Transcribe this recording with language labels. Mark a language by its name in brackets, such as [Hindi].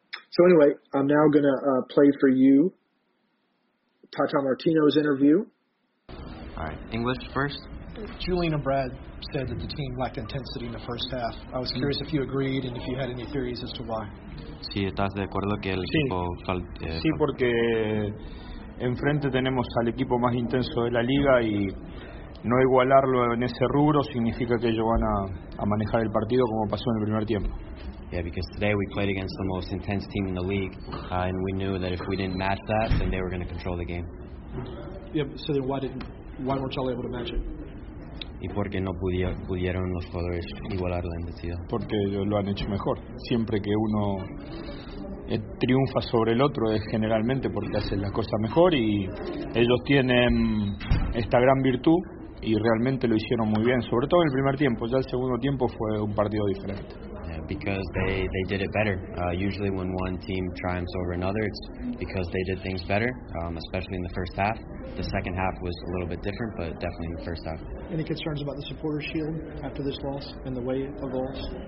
[English] So anyway, I'm now going to play for you Tata Martino's interview. All right, English first. Julian and Brad said that the team lacked intensity in the first half. I was curious if you agreed and if you had any theories as to why. [Spanish] Sí, estás de acuerdo que el equipo falte. Sí, porque enfrente tenemos al equipo más intenso de la liga y no igualarlo en ese rubro significa que ellos van a manejar el partido como pasó en el primer tiempo. [English] Yeah, because today we played against the most intense team in the league, and we knew that if we didn't match that, then they were going to control the game. Yeah, so then why weren't y'all able to match it? [Spanish] ¿Y por qué no pudieron los jugadores igualar la intensidad? Porque ellos lo han hecho mejor. Siempre que uno triunfa sobre el otro es generalmente porque hace las cosas mejor, y ellos tienen esta gran virtud y realmente lo hicieron muy bien, sobre todo en el primer tiempo. Ya el segundo tiempo fue un partido diferente. [English] Because they did it better. Usually when one team triumphs over another, it's because they did things better, especially in the first half. The second half was a little bit different, but definitely in the first half. Any concerns about the supporter shield after this loss and the way it evolves?